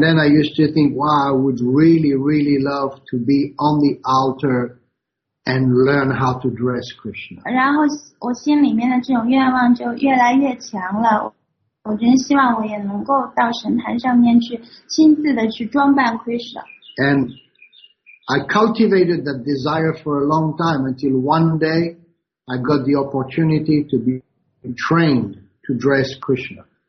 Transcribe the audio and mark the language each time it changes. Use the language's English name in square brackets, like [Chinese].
[English] then I used to think, wow, I would really, really love to be on the altar and learn how to dress Krishna. [Chinese] 然后我心里面的这种愿望就越来越强了，我真希望我也能够到神坛上面去亲自的去装扮Krishna。 [English] And I cultivated that desire for a long time until one day I got the opportunity to be trained to dress Krishna.